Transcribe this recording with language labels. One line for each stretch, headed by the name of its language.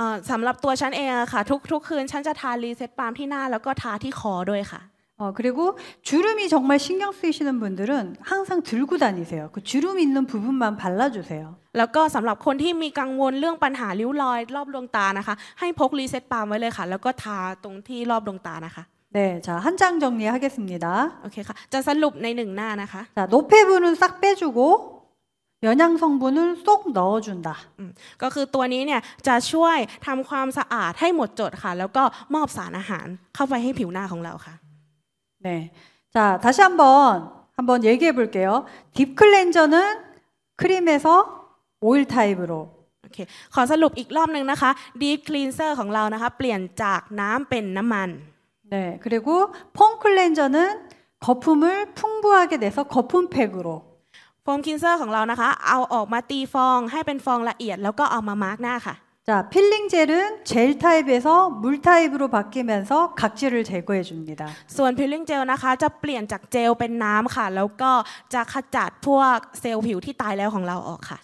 Thai: สำหรับตัวฉันเองค่ะทุกคืนฉันจะทารีเซ็ตบัมที่หน้าแล้วก็ทาที่คอด้วยค่ะ
Korean: 그리고주름이정말신경쓰이시는분들은항상들고다니세요그주름있는부분만발라주세요
Thai: แล้วก็สำหรับคนที่มีกังวลเรื่องปัญหาริ้วรอยรอบดวงตานะคะให้พกรีเซ็ตบัมไว้เลยค่ะแล้วก็ทาตรงที่รอบดวงตานะคะ
Korean: 네자한장정리하겠습니다
Thai: โอเคค่ะจะสรุปในหนึ่งหน้านะคะ
Korean: 자노폐분은싹빼주고연양성분을쏙넣어준다
Thai: ก็คือตัวนี้เนี่ยจะช่วยทำความสะอาดให้หมดจดค่ะแล้วก็มอบสารอาหารเข้าไปให้ผิวหน้าของเราค่ะ
Korean: 네자다시한번얘기해볼게요딥클렌저는크림에서오일타입으로
Thai: โอเคขอสรุปอีกรอบนึงนะคะดีปคลีนเซอร์ของเรานะคะเปลี่ยนจากน้ำเป็นน้ำมัน
Korean: 네그리고폼클렌저는거품을풍부하게내서거품팩으로
Thai: โฟมคลีนเซอร์ของเรานะคะเอาออกมาตีฟองให้เป็นฟองละเอียดแล้วก็เอามามาร์กหน้าค่ะ
Korean: 자필링젤은젤타입에서물타입으로바뀌면서각질을제거해줍니다
Thai: ส่วนพิลลิ่งเจลนะคะจะเปลี่ยนจากเจลเป็นน้ำค่ะแล้วก็จะขจัดพวกเซลล์ผิวที่ตายแล้วของเราออกค่ะ